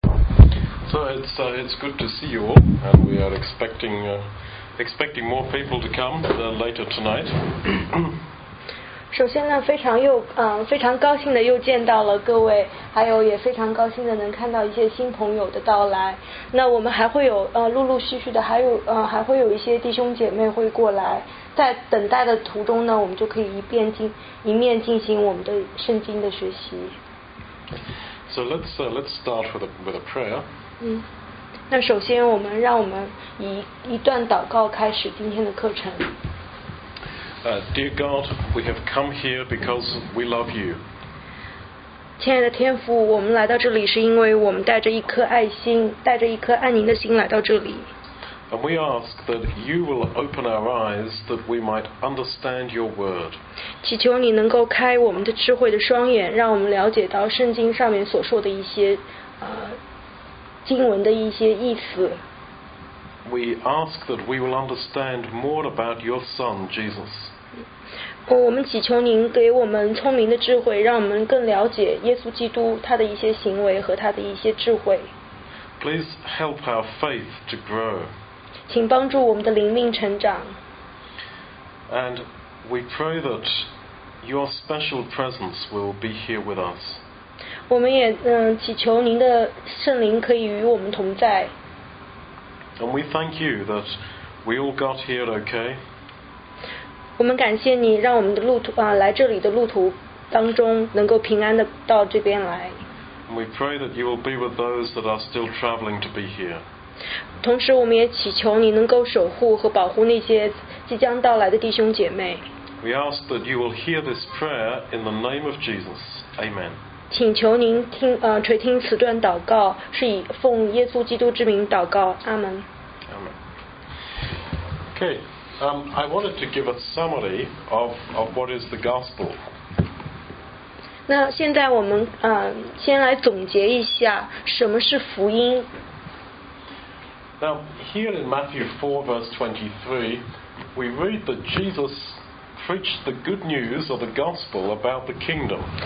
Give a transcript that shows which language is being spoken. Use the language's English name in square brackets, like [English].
[English] It's good to see you all, and we are expecting more people to come later tonight. [Chinese] 首先呢，非常高兴的又见到了各位，还有也非常高兴的能看到一些新朋友的到来。那我们还会有陆陆续续的，还会有一些弟兄姐妹会过来。在等待的途中呢，我们就可以一面进行我们的圣经的学习。 [English] So let's start with a prayer. [Chinese] 那首先让我们以一段祷告开始今天的课程。 [English] Dear God, we have come here because we love you. [Chinese] 亲爱的天父，我们来到这里是因为我们带着一颗爱心，带着一颗爱您的心来到这里。 [English] And we ask that you will open our eyes that we might understand your word. [Chinese] 祈求你能够开我们的智慧的双眼，让我们了解到圣经上面所说的一些经文的一些意思。 [English] We ask that we will understand more about your Son, Jesus. [Chinese] 我们祈求您给我们聪明的智慧，让我们更了解耶稣基督他的一些行为和他的一些智慧。 [English] Please help our faith to grow. [Chinese] 请帮助我们的灵命成长。 [English] And we pray that your special presence will be here with us. [Chinese] 我们也祈求您的圣灵可以与我们同在。 [English] And we thank you that we all got here okay. [Chinese] 我们感谢你让我们的路途来这里的路途当中能够平安的到这边来。 [English] And we pray that you will be with those that are still traveling to be here. [Chinese] 同时我们也祈求你能够守护和保护那些即将到来的弟兄姐妹。 [English] We ask that you will hear this prayer in the name of Jesus. Amen. [Chinese] 请求您听垂听此段祷告，是以奉耶稣基督之名祷告，阿门。 [English] Amen. Okay, I wanted to give a summary of what is the gospel. [Chinese] 那现在我们先来总结一下什么是福音。 [English] Now here in Matthew 4 verse 23, we read that Jesus. Preached the good news or the gospel about the kingdom.